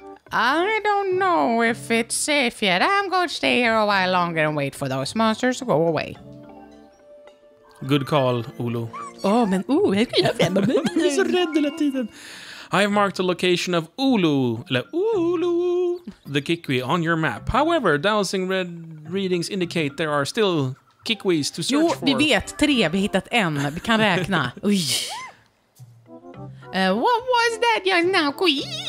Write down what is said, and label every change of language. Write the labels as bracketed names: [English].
[English] I don't know if it's safe yet. I'm going to stay here a while longer and wait for those monsters to go away. Good call, Olo. [Swedish] Åh, men ooh, jag kan ju vända mig. Jag är så rädd hela tiden. [English] I've marked the location of Olo, eller Olo, the Kikui, on your map. However, dowsing red readings indicate there are still Kikuis to search jo, for. [Swedish] Jo, vi vet. Tre, vi har hittat en. Vi kan räkna. Oj. [English] What was that young now, Kui?